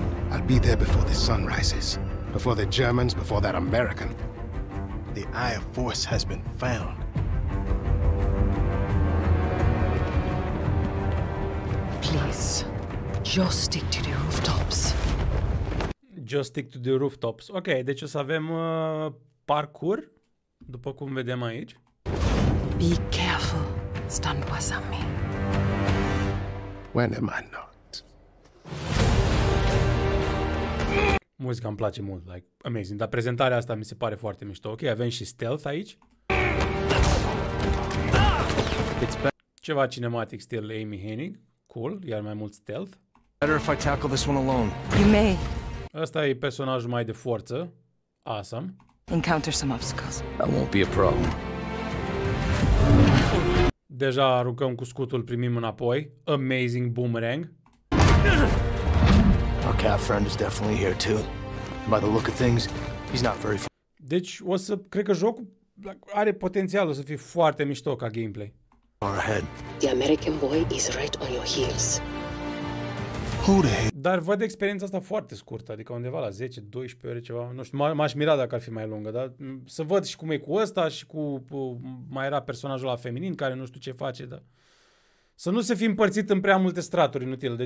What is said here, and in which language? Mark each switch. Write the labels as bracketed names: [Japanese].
[English] I'll be there before the sun rises. Before the Germans, before that American. The Eye of Force has been found. Please, just stick to the rooftops. Just stick to the rooftops. [Romanian] Ok, deci o să avem parkour, după cum vedem aici. [English] Be careful, stand with me. When am I not? [Romanian] Muzica îmi place mult, [English] like, amazing. [Romanian] Dar prezentarea asta mi se pare foarte mișto. Ok, avem și stealth aici. Ceva cinematic stil Amy Hennig. Cool, iar mai mult stealth. [English] Better if I tackle this one alone. You may. [Romanian] Asta e personajul mai de forță. [English] Awesome. Encounter some obstacles. That won't be a problem. [Romanian] Deja aruncăm cu scutul, primim înapoi. [English] Amazing boomerang. Our cat friend is definitely here too. By the look of things, he's not very far. [Romanian] Deci, o să cred că jocul are potențialul să fie foarte mișto ca gameplay. [English] Far ahead. The American boy is right on your heels. Who the hell? [Romanian] Dar văd experiența asta foarte scurtă, adică undeva la 10-12 ore ceva. Nu știu, m-aș mira dacă ar fi mai lungă, dar să văd și cum e cu ăsta și cu mai era personajul ăla feminin care nu știu ce face, dar... Să nu se fi împărțit în prea multe straturi inutile.